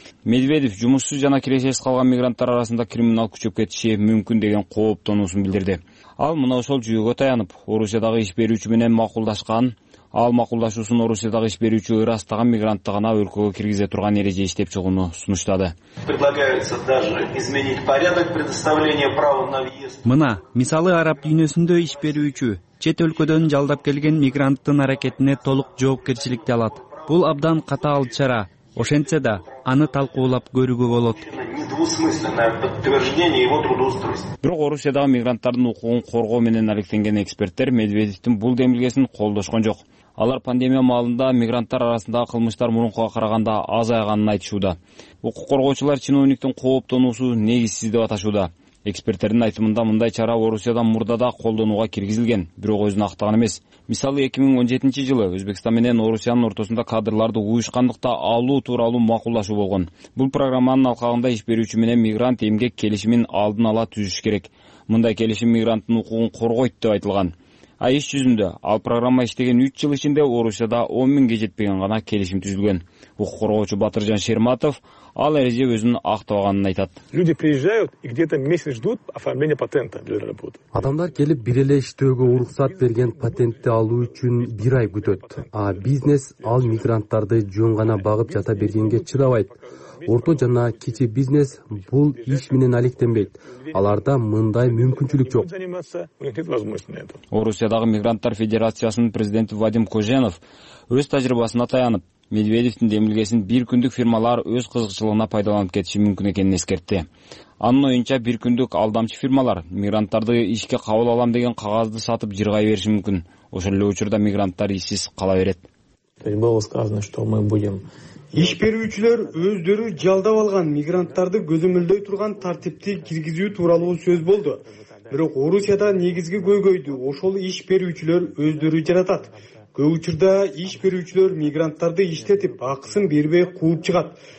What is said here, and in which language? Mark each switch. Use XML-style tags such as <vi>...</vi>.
<ky>Медведев жумушсуз жана кирешесиз калган мигранттар арасында криминал күчөп кетиши мүмкүн деген кооптонуусун билдирди. Ал мына ошол жүйөгө таянып, Орусиядагы иш берүүчү менен макулдашкан, ал макулдашуусун Орусиядагы иш берүүчү ырастаган мигрантты гана өлкөгө киргизе турган эреже иштеп чыгууну сунуштады.</ky> <ru>Предлагается даже изменить порядок предоставления права на въезд.</ru> <ky>Мына, мисалы араб дүйнөсүндө иш берүүчү чет өлкөдөн жалдап келген мигранттын аракетине толук жоопкерчиликти алат. Бул абдан катаал чара. Ошентсе да, аны талкуулап көрүүгө болот. Бирок Орусиядагы мигранттардын укугун коргоо менен алектенген эксперттер Медведевдин бул демилгесин колдошкон жок. Алар пандемия маалында мигранттар арасындагы кылмыштар мурункуга караганда азайганын айтышууда. Укук коргоочулар чиновниктин кооптонуусу негизсиз деп аташууда. Эксперттердин айтымында мындай чара Орусиядан мурда да колдонууга киргизилген, бирок өзүн актаган эмес. Мисалы, 2017 жылы Өзбекстан менен Орусиянын ортосунда кадрларды уюшкандыкта алуу тууралуу макулдашуу болгон. Бул программанын алкагында иш берүүчү менен мигрант эмгек келишимин алдын ала түзүш керек. Мындай келишим мигранттын укугун коргойт деп айтылган. А иш жүзүндө ал программа иштеген 3 жыл ичинде Орусияда 10,000 жетпеген гана келишим түзүлгөн. Укук коргоочу Батыржан Шерматов ал эреже өзүн актабаганын айтат.</ky> <ru>Люди приезжают и где-то месяц ждут оформления патента для работы.</ru> <ky>Адамдар келип бир эле иштөөгө уруксат берген патентти алуу үчүн 1 ай күтөт. А бизнес ал мигранттарды жөн гана багып жата бергенге чыдабайт. Орто жана кичи бизнес бул иш менен алектенбейт. Аларда мындай мүмкүнчүлүк жок. Орусиядагы мигранттар федерациясынын президенти Вадим Коженов өз тажрыйбасына таянып, Медведевдин демилгесин бир күндүк фирмалар өз кызыкчылыгына пайдаланып кетиши мүмкүн экенин эскертти. Анын оюнча, бир күндүк алдамчы фирмалар мигранттарды ишке кабыл алам деген кагазды сатып жыргай бериши мүмкүн. Ошол эле учурда мигранттар ишсиз кала берет.</ky> <ru>Было сказано, что мы будем.</ru> <ky>Иш берүүчүлөр өздөрү жалдап алган мигранттарды көзөмөлдөй турган тартипти киргизүү тууралуу сөз болду. Бирок Орусияда негизги көйгөйдү ошол иш берүүчүлөр өздөрү жаратат. Көп учурда иш берүүчүлөр мигранттарды иштетип, акысын бербей кууп чыгат.</ky>